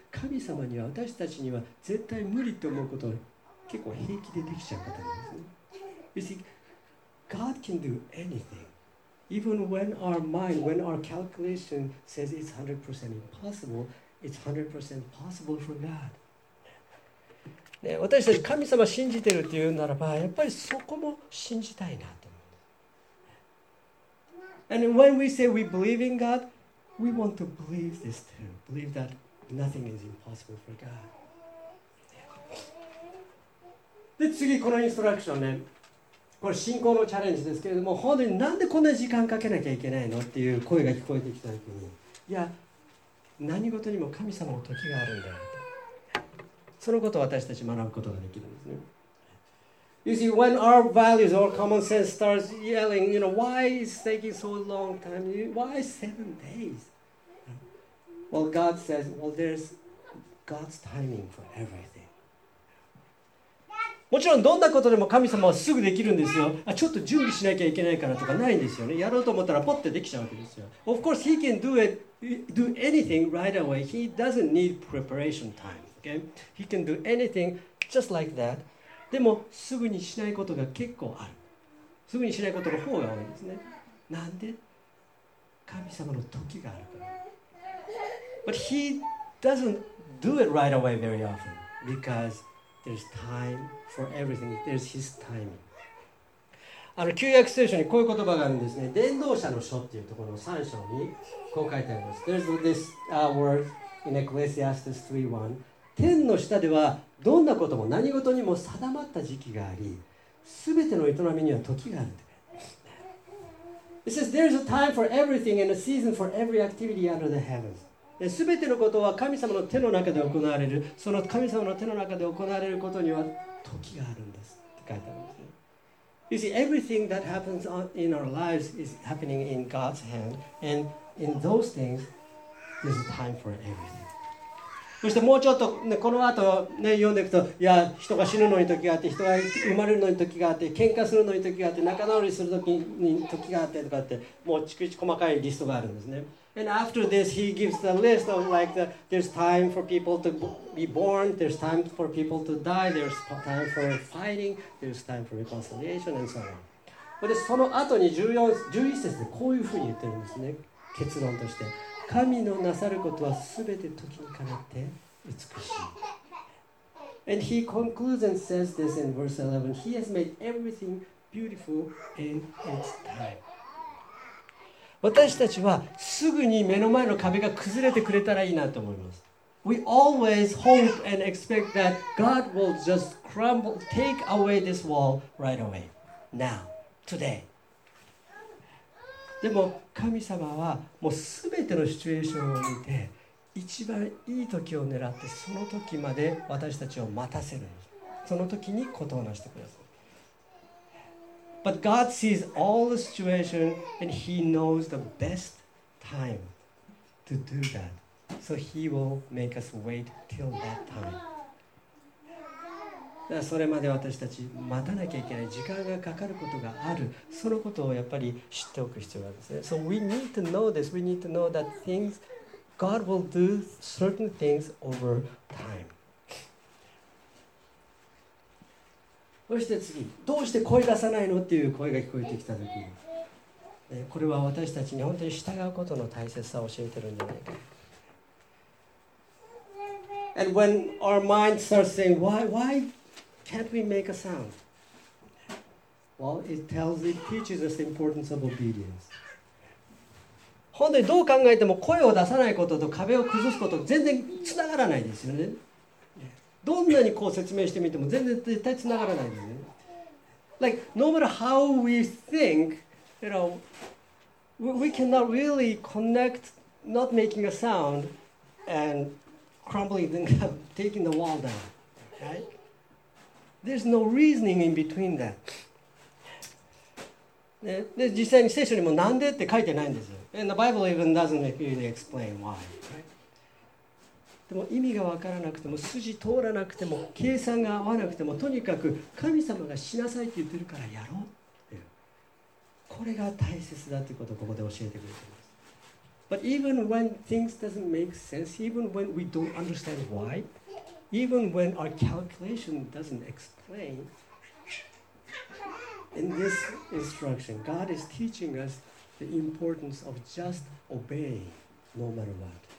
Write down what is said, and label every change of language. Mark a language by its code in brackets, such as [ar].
[ja] 神様には私たちには絶対無理と思うことを結構平気でできちゃう方なんですね。 [en] You see, God can do anything. Even when our mind, when our calculation says it's 100% impossible, it's 100% possible for God.、 [ja] ね、私たち神様信じてるっていうならば、やっぱりそこも信じたいな。 [en] And when we say we believe in God, we want to believe this too. Believe that nothing is impossible for God. [ja] で、次このインストラクションね。これ信仰のチャレンジですけれども、本当になんでこんな時間かけなきゃいけないのっていう声が聞こえてきたときに、いや、何事にも神様の時があるんだよと。そのことを私たち学ぶことができるんですね。 [en] You see, when our values or common sense starts yelling, you know, why is it taking so long time? Why 7 days? Well, God says, well, there's God's timing for everything. [ja] もちろんどんなことでも神様はすぐできるんですよ。あ、ちょっと準備しなきゃいけないからとかないんですよね。やろうと思ったらポッてできちゃうわけですよ。 [en] Of course, he can do anything right away. He doesn't need preparation time. Okay? He can do anything just like that. [ja] でもすぐにしないことが結構ある。すぐにしないことの方が多いですね。なんで？神様の時があるから。 [en] But he doesn't do it right away very often because there's time for everything. There's his timing. [ja] あの旧約聖書にこういう言葉があるんですね。伝道者の書っていうところの3章にこう書いてあります。 [en] There's this word in Ecclesiastes 3:1. [ja] 天の下ではどんなことも何事にも定まった時期があり、すべての営みには時があるって。 [en] It says there is a time for everything and a season for every activity under the heavens. [ja] すべてのことは神様の手の中で行われる。その神様の手の中で行われることには時があるんですって書いてあるんですね。 [en] You see, everything that happens in our lives is happening in God's hand, and in those things, there's a time for everything. [ja] そしてもうちょっと、ね、この後、ね、読んでいくと、いや、人が死ぬのに時があって、人が生まれるのに時があって、喧嘩するのに時があって、仲直りする時に時があってとかって、もうちくち細かいリストがあるんですね。 [en] And after this, he gives the list of like, the, there's time for people to be born, there's time for people to die, there's time for fighting, there's time for reconciliation, and so on. [ja] でその後に11節でこういうふうに言ってるんですね。結論として、神のなさることはすべて時にかなって美しい。 [en] And he concludes and says this in verse 11. He has made everything beautiful in its time. [ja] 私たちはすぐに目の前の壁が崩れてくれたらいいなと思います。 [en] We always hope and expect that God will just crumble, take away this wall right away, now, today. [ja] でも神様はもうすべてのシチュエーションを見て、一番いい時を狙ってその時まで私たちを待たせる。その時にことをなしてください。 [en] But God sees all the situation and He knows the best time to do that. So he will make us wait till that time. [ja] だからそれまで私たち待たなきゃいけない、時間がかかることがある、そのことをやっぱり知っておく必要があるんですね。 [en] So we need to know this. We need to know that things God will do certain things over time. [ja] そして次、どうして声出さないのっていう声が聞こえてきたとき、これは私たちに本当に従うことの大切さを教えてるんじゃないか。 [en] And when our mind starts saying, why can't we make a sound? Well, it teaches us the importance of obedience. [ja] 本当にどう考えても声を出さないことと壁を崩すこと全然つながらないですよね。どんなにこう説明してみても全然絶対つながらないですよね。 [en] Like, no matter how we think, you know, we cannot really connect not making a sound andcrumbling, then taking the wall down, right? There's no reasoning in between that. [ja] で実際に聖書にもなんでって書いてないんですよ。 [en] And the Bible even doesn't really explain why, right? [ja] でも意味がわからなくても、筋通らなくても、計算が合わなくても、とにかく神様がしなさいって言ってるからやろうって。これが大切だってことをここで教えてくれてる。 [en] But even when things doesn't make sense, even when we don't understand why, even when our calculation doesn't explain, in this instruction, God is teaching us the importance of just obeying, no matter what.